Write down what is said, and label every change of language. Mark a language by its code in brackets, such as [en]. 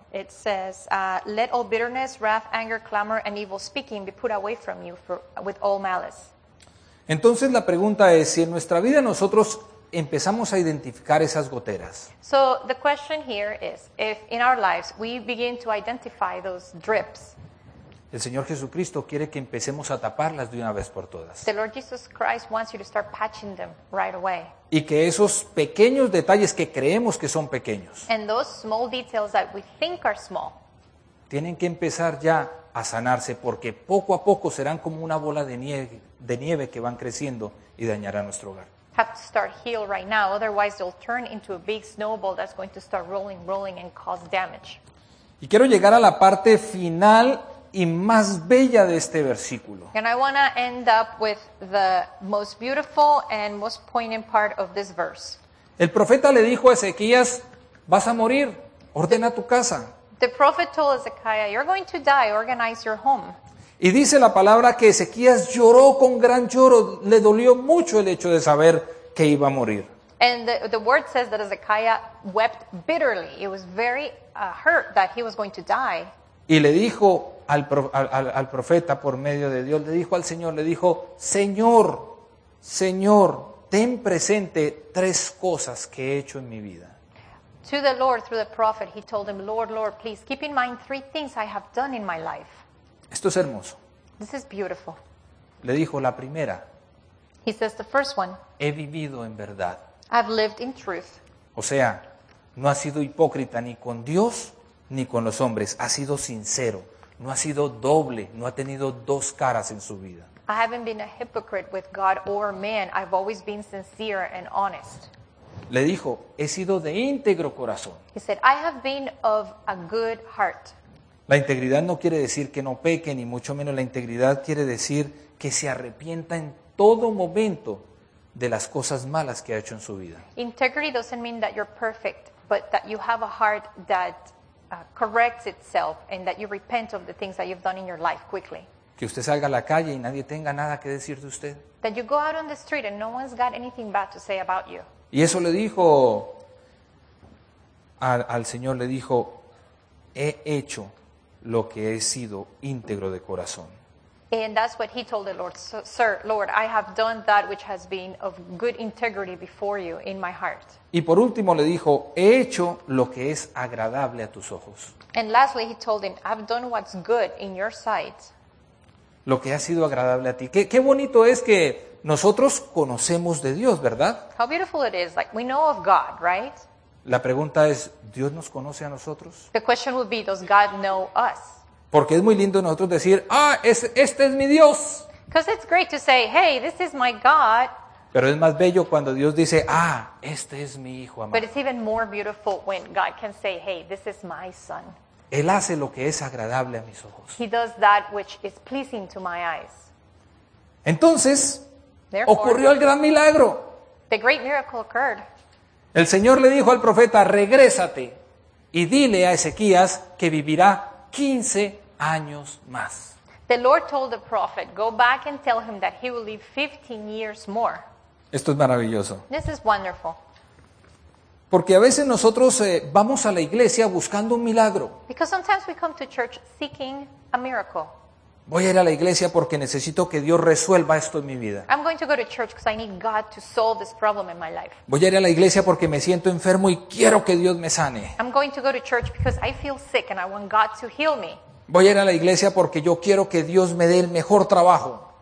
[en] It says, let all bitterness, wrath, anger, clamor, and evil speaking be put away from you with all malice. [es] Entonces la pregunta es, si en nuestra vida nosotros empezamos a identificar esas goteras. [en] So the question here is, if in our lives we begin to identify those drips, [es] el Señor Jesucristo quiere que empecemos a taparlas de una vez por todas. [en] The Lord Jesus Christ wants you to start patching them right away. [es] Y que esos pequeños detalles que creemos que son pequeños, [en] and those small details that we think are small, [es] tienen que empezar ya a sanarse, porque poco a poco serán como una bola de nieve que van creciendo y dañará nuestro hogar. [en] Have to start heal right now, otherwise they'll turn into a big snowball that's going to start rolling and cause damage. [es] Y quiero llegar a la parte final y más bella de este versículo. [en] And I want to end up with the most beautiful and most poignant part of this verse. [es] El profeta le dijo a Ezequías, vas a morir, ordena tu casa. [en] The prophet told Ezekiah, you're going to die, organize your home. [es] Y dice la palabra que Ezequías lloró con gran lloro, le dolió mucho el hecho de saber que iba a morir. [en] And the word says that Ezekiah wept bitterly. It was very hurt that he was going to die. [es] Y le dijo al profeta por medio de Dios, le dijo al Señor, le dijo, Señor, Señor, ten presente tres cosas que he hecho en mi vida. [en] To the Lord, through the prophet, he told him, Lord, Lord, please keep in mind three things I have done in my life. [es] Esto es hermoso. [en] This is beautiful. [es] Le dijo la primera. [en] He says the first one. [es] He vivido en verdad. [en] I've lived in truth. [es] O sea, no ha sido hipócrita ni con Dios ni con los hombres. Ha sido sincero. No ha sido doble. No ha tenido dos caras en su vida. [en] I haven't been a hypocrite with God or man. I've always been sincere and honest. [es] Le dijo, he sido de íntegro corazón. [en] He said, I have been of a good heart. [es] La integridad no quiere decir que no peque, ni mucho menos. La integridad quiere decir que se arrepienta en todo momento de las cosas malas que ha hecho en su vida. [en] Integrity doesn't mean that you're perfect, but that you have a heart that corrects itself and that you repent of the things that you've done in your life quickly. [es] Que usted salga a la calle y nadie tenga nada que decir de usted. [en] That you go out on the street and no one's got anything bad to say about you. [es] Y eso le dijo al Señor, le dijo, he hecho lo que he sido íntegro de corazón. [en] And that's what he told the Lord. So, sir, Lord, I have done that which has been of good integrity before you in my heart. [es] Y por último le dijo, he hecho lo que es agradable a tus ojos. [en] And lastly he told him, I've done what's good in your sight. [es] Lo que ha sido agradable a ti. Qué bonito es que nosotros conocemos de Dios, ¿verdad? [en] How beautiful it is. Like, we know of God, right? [es] La pregunta es, ¿Dios nos conoce a nosotros? [en] The question would be, does God know us? [es] Porque es muy lindo nosotros decir, ah, este es mi Dios. [en] Because it's great to say, hey, this is my God. [es] Pero es más bello cuando Dios dice, ah, este es mi hijo amado. [en] But it's even more beautiful when God can say, hey, this is my son. [es] Él hace lo que es agradable a mis ojos. [en] He does that which is pleasing to my eyes. [es] Entonces, [en] therefore, [es] ocurrió el gran milagro. [en] The great miracle occurred. [es] El Señor le dijo al profeta, regrésate y dile a Ezequías que vivirá 15 años más. [en] The Lord told the prophet, go back and tell him that he will live 15 years more. [es] Esto es maravilloso. [en] This is wonderful. [es] Porque a veces nosotros vamos a la iglesia buscando un milagro. [en] Because sometimes we come to church seeking a miracle. [es] Voy a ir a la iglesia porque necesito que Dios resuelva esto en mi vida. [en] I'm going to go to church because I need God to solve this problem in my life. [es] Voy a ir a la iglesia porque me siento enfermo y quiero que Dios me sane. [en] I'm going to go to church because I feel sick and I want God to heal me. [es] Voy a ir a la iglesia porque yo quiero que Dios me dé el mejor trabajo.